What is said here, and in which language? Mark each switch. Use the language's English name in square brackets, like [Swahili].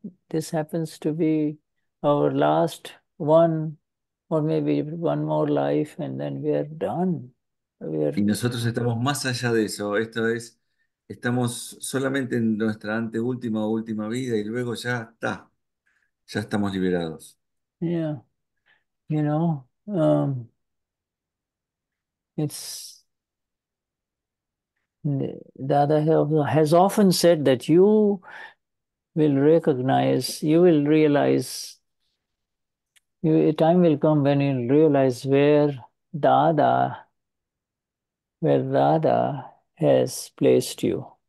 [English] This happens to be our last one, or maybe one more life, and then we are done. [Spanish] Y nosotros estamos más allá de eso. Esto es, estamos solamente en nuestra anteúltima o última vida y luego ya está, ya estamos liberados. [English] Yeah, you know, it's Dada has often said that you will recognize, you will realize, you, a time will come when you'll realize where Dada has placed you.